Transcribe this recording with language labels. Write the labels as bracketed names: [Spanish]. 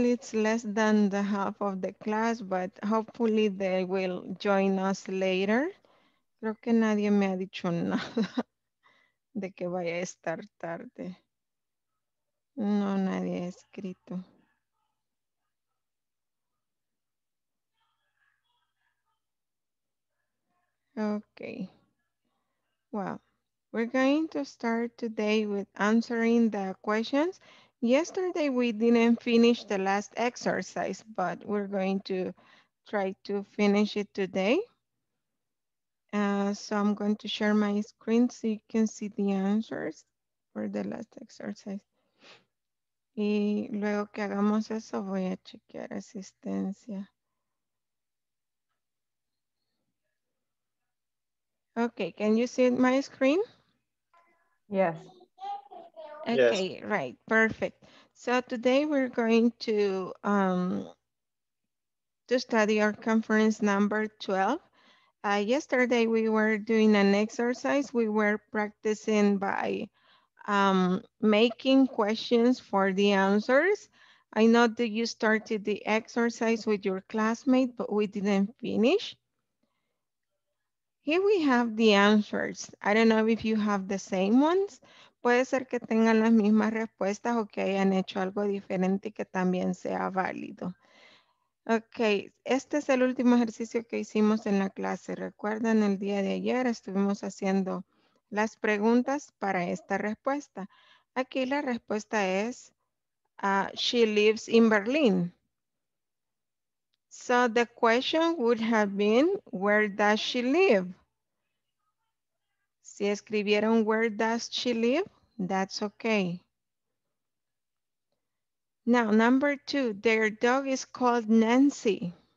[English] It's less than the half of the class, but hopefully they will join us later. [Spanish] Creo que nadie me ha dicho nada de que vaya a estar tarde. No, nadie ha escrito. [English] Okay. Well, we're going to start today with answering the questions. Yesterday, we didn't finish the last exercise, but we're going to try to finish it today. So I'm going to share my screen so you can see the answers for the last exercise. [Spanish] Y luego que hagamos eso, voy a chequear asistencia. [English] Okay, can you see my screen? Yes. Okay, yes. Right, perfect. So today we're going to study our conference number 12. Yesterday we were doing an exercise. We were practicing by making questions for the answers. I know that you started the exercise with your classmate, but we didn't finish. Here we have the answers. I don't know if you have the same ones. [Spanish] Puede ser que tengan las mismas respuestas o que hayan hecho algo diferente y que también sea válido. Ok, este es el último ejercicio que hicimos en la clase. Recuerden, el día de ayer estuvimos haciendo las preguntas para esta respuesta. Aquí la respuesta es, [English] she lives in Berlin. So the question would have been, where does she live? [Spanish] Si escribieron [English] where does she live, that's okay. Now, number two, their dog is called Nancy.